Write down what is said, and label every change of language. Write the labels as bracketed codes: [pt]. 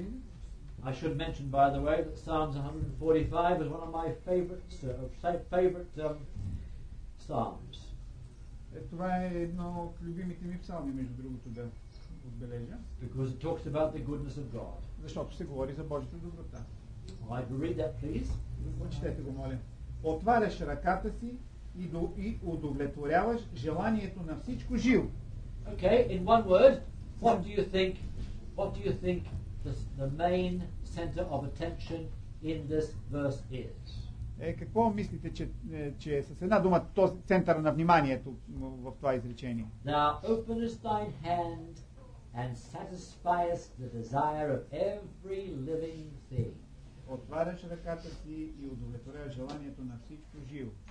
[en] it? I should mention, by the way, that Psalms 145 is one of my favorite psalms. [bg] Това е едно от любимите ми псалми, между другото, да. [en] Because it talks about the goodness of God. [bg] Защото се говори за Божията доброта. [en] I'd read that, please. [bg] Почетете го, моля. Отваряш ръката си и удовлетворяваш желанието на всичко живо. [en] Okay, in one word, what do you think the main center of attention in this verse is? [bg] Е, какво мислите, че с една дума този център на вниманието в това изречение? [en] Now, openest thy hand and satisfies the desire of every living thing. [bg] Отваряш ръката си и удовлетворяваш желанието на всичко живо.